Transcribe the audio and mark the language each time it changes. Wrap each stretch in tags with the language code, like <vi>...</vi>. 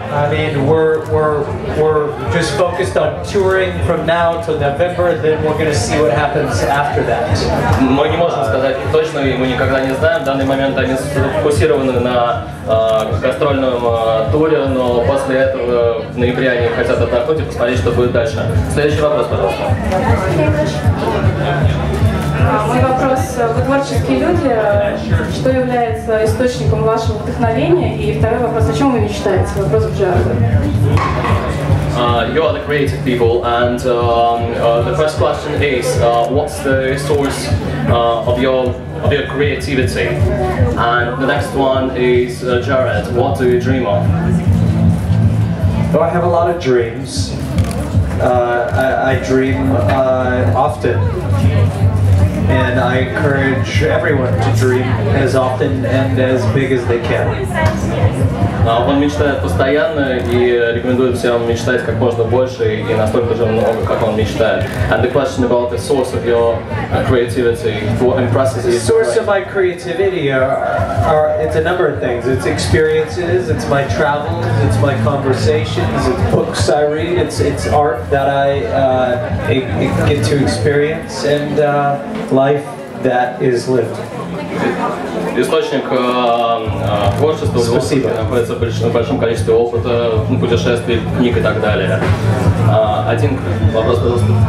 <en>I mean, we're just focused on touring from now to November, then we're going to see what happens after that.</en> <ru>Мы не можем сказать точно, и мы никогда не знаем. В данный момент они сфокусированы на гастрольном туре, но после этого в ноябре они хотят отдохнуть и посмотреть, что будет дальше. Следующий вопрос, пожалуйста. Мой вопрос. Вы творческие люди. Что является источником вашего вдохновения? И второй вопрос. О чем вы мечтаете? Вопрос к Джарду.</ru> <en>You are the creative people, and the first question is, what's the source of your creativity? And the next one is, Jared, what do you dream of? Well, I have a lot of dreams. I dream often. And I encourage everyone to dream as often and as big as they can.</en> <ru>Он мечтает постоянно и рекомендует всем мечтать как можно больше и настолько же много, как он мечтает.</ru> <en>And the question about the source of your creativity, what impresses you? The source of my creativity it's a number of things. It's experiences, it's my travels, it's my conversations, it's books I read, it's art that I get to experience, and life that is lived.</en> <ru>Источник творчества находится в большом количестве опыта, путешествий, книг и так далее. Один вопрос, пожалуйста.</ru>